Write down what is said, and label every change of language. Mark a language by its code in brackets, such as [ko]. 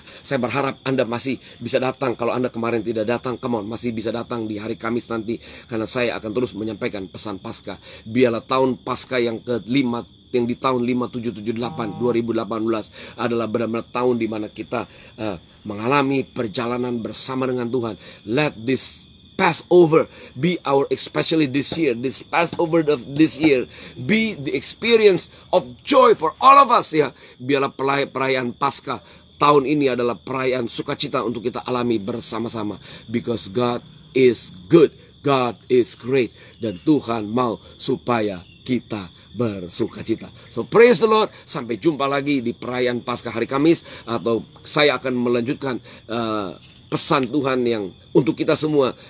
[id] Saya berharap Anda masih bisa datang. Kalau Anda kemarin tidak datang, [en] come on, [id] masih bisa datang di hari Kamis nanti, karena saya akan terus menyampaikan pesan Paskah. Biarlah tahun Paskah yang ke-5 yang di tahun 5778 2018 adalah benar-benar tahun di mana kita mengalami perjalanan bersama dengan Tuhan. [en] Let this Passover be our, especially this year, this Passover of this year be the experience of joy for all of us, ya. [id] Biarlah perayaan Paskah tahun ini adalah perayaan sukacita untuk kita alami bersama-sama, [en] because God is good, God is great, [id] dan Tuhan mau supaya kita bersuka cita. [en] So praise the Lord. [id] Sampai jumpa lagi di perayaan Paskah hari Kamis, atau saya akan melanjutkan pesan Tuhan yang untuk kita semua.